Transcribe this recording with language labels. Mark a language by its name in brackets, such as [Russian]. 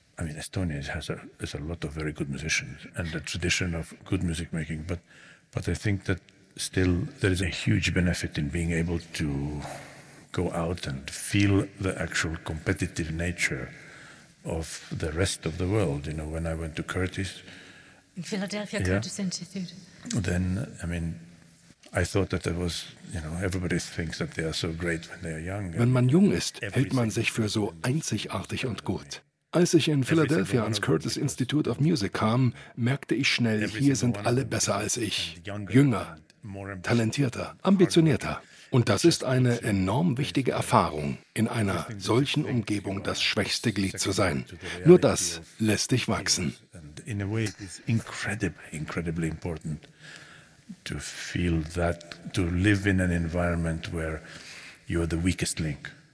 [English] I mean, Estonia has a lot of very good musicians and a tradition of good music making, but I think that still there is a huge benefit in being able to go out and feel the actual competitive nature of the rest of the world. You know, when I went to Curtis, in Philadelphia, yeah, Curtis Institute. Then, I mean, I thought that it was, you know, everybody thinks that they are so great when they are young. [German] Wenn man jung ist, hält man sich für so einzigartig und gut. Als ich in Philadelphia ans Curtis Institute of Music kam, merkte ich schnell, hier sind alle besser als ich. Jünger, talentierter, ambitionierter. Und das ist eine enorm wichtige Erfahrung, in einer solchen Umgebung das schwächste Glied zu sein. Nur das lässt dich wachsen. [English] In a way, it is incredibly important to feel that, to live in an environment where you are the weakest link.